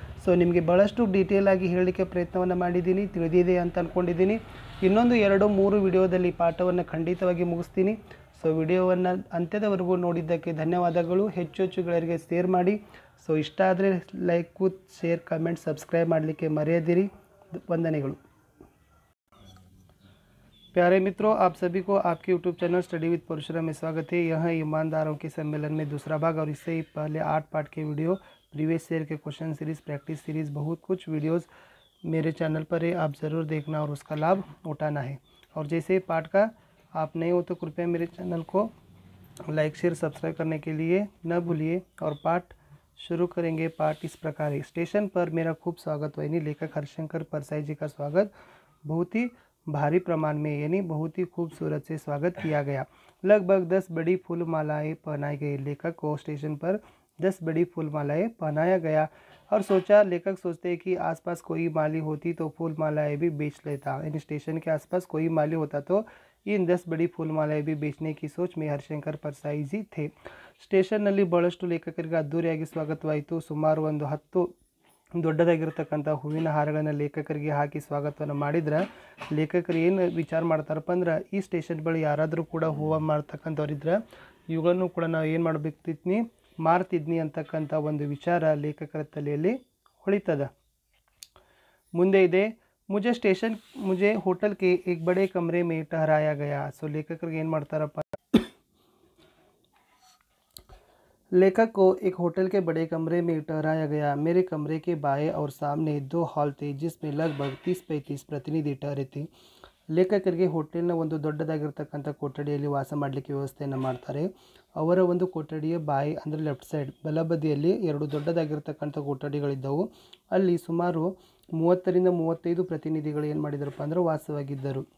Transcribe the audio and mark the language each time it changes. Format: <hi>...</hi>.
<kn>So ನಿಮಗೆ ಬಹಳಷ್ಟು detail ಆಗಿ ಹೇಳಲಿಕ್ಕೆ ಪ್ರಯತ್ನವನ್ನು ಮಾಡಿದ್ದೀನಿ, ತಿಳಿದಿದೆ ಅಂತ ಅಂದ್ಕೊಂಡಿದ್ದೀನಿ। ಇನ್ನೊಂದು 2-3 ವಿಡಿಯೋದಲ್ಲಿ ಪಾಠವನ್ನು ಖಂಡಿತವಾಗಿ ಮುಗಿಸ್ತೀನಿ। ಸೊ ವಿಡಿಯೋವನ್ನು ಅಂತ್ಯದವರೆಗೂ ನೋಡಿದ್ದಕ್ಕೆ ಧನ್ಯವಾದಗಳು, ಹೆಚ್ಚು ಹೆಚ್ಚು ಗೆಳೆಯರಿಗೆ ಶೇರ್ ಮಾಡಿ। ಸೊ ಇಷ್ಟ ಆದರೆ ಲೈಕು ಶೇರ್ ಕಮೆಂಟ್ ಸಬ್ಸ್ಕ್ರೈಬ್ ಮಾಡಲಿಕ್ಕೆ ಮರೆಯದಿರಿ, ವಂದನೆಗಳು।</kn> <hi>प्यारे मित्रों, आप सभी को आपके YouTube channel study with Parshuram में स्वागत है। यह ईमानदारों के सम्मेलन में दूसरा भाग और इससे ही पहले 8 पार्ट के वीडियो, प्रीवियस ईयर के क्वेश्चन सीरीज, प्रैक्टिस सीरीज, बहुत कुछ वीडियोस मेरे चैनल पर है, आप ज़रूर देखना और उसका लाभ उठाना है। और जैसे ही पार्ट का आप नए हो तो कृपया मेरे चैनल को लाइक शेयर सब्सक्राइब करने के लिए न भूलिए। और पाठ शुरू करेंगे, पाठ इस प्रकार है। स्टेशन पर मेरा खूब स्वागत, वहीं लेखक हरिशंकर परसाई जी का स्वागत बहुत ही भारी प्रमाण में, यानी बहुत ही खूबसूरत से स्वागत किया गया। लगभग 10 बड़ी फूल मालाएं पहनाई गई, लेखक को स्टेशन पर 10 बड़ी फूल मालाएं पहनाया गया। और सोचा, लेखक सोचते हैं कि आसपास कोई माली होती तो फूल मालाएं भी बेच लेता, यानी स्टेशन के आसपास कोई माली होता तो इन 10 बड़ी फूल मालाएं भी बेचने की सोच में हरिशंकर परसाई जी थे।</hi> <kn>स्टेशन ನಲ್ಲಿ ಬಹಳಷ್ಟು ಲೇಖಕರಿಗೆ ಅದ್ದೂರಿಯಾಗಿ ಸ್ವಾಗತವಾಯಿತು। ಸುಮಾರು 10 ದೊಡ್ಡದಾಗಿರ್ತಕ್ಕಂಥ ಹೂವಿನ ಹಾರಗಳನ್ನು ಲೇಖಕರಿಗೆ ಹಾಕಿ ಸ್ವಾಗತವನ್ನು ಮಾಡಿದ್ರೆ ಲೇಖಕರು ಏನು ವಿಚಾರ ಮಾಡ್ತಾರಪ್ಪ ಅಂದ್ರೆ, ಈ ಸ್ಟೇಷನ್ ಬಳಿ ಯಾರಾದರೂ ಕೂಡ ಹೂವ ಮಾರ್ತಕ್ಕಂಥವ್ರಿದ್ರೆ ಇವುಗಳನ್ನು ಕೂಡ ನಾವು ಏನು ಮಾಡಬೇಕಿದ್ನಿ, ಮಾರ್ತಿದ್ನಿ ಅಂತಕ್ಕಂಥ ಒಂದು ವಿಚಾರ ಲೇಖಕರ ತಲೆಯಲ್ಲಿ ಹೊಳಿತದ. ಮುಂದೆ ಇದೆ,</kn> <hi>ಮುಜೆ ಸ್ಟೇಷನ್ ಮುಜೆ ಹೋಟೆಲ್ಗೆ ಏಕ್ ಬಡೆ ಕಮರೆ ಮೇ ಠಹರಾಯ ಗಯಾ.</hi> <kn>ಸೊ ಲೇಖಕರಿಗೆ ಏನು ಮಾಡ್ತಾರಪ್ಪ,</kn> <hi>लेखक को एक होटल के बड़े कमरे में ठहराया गया। मेरे कमरे के बाएं और सामने 2 हॉल थे जिसमें लगभग 30-35 प्रतिनिधि ठहरे थे। लेखक के होटल</hi> <kn>ಒಂದು ದೊಡ್ಡದಾಗಿರತಕ್ಕಂತ ಕೊಠಡಿಯಲ್ಲಿ ವಾಸ ಮಾಡಲಿಕ್ಕೆ ವ್ಯವಸ್ಥೆಯನ್ನು ಮಾಡ್ತಾರೆ। ಅವರ ಒಂದು ಕೊಠಡಿಯ ಬಾಯಿ ಅಂದರೆ ಲೆಫ್ಟ್ ಸೈಡ್ ಬಲಬದಿಯಲ್ಲಿ 2 ದೊಡ್ಡದಾಗಿರತಕ್ಕಂತ ಕೊಠಡಿಗಳಿದ್ದವು। ಅಲ್ಲಿ ಸುಮಾರು 30-35 ಪ್ರತಿನಿಧಿಗಳು ಏನು ಮಾಡಿದರಪ್ಪ ಅಂದ್ರೆ ವಾಸವಾಗಿದ್ದರು।</kn>